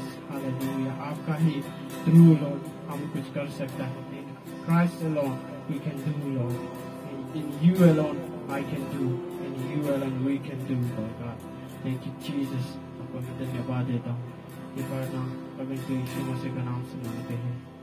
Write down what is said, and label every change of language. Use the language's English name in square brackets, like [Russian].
[Hindi] Hallelujah, आपका ही through Lord हम कुछ कर सकता है। [English] Christ alone we can do, Lord. In you alone I can do. In you alone we can do, Lord God. Thank you, Jesus. [Hindi] आपको मैं धन्यवाद देता हूँ। ये प्रार्थना पवित्र तो यीशु मसीह के नाम से मांगते हैं।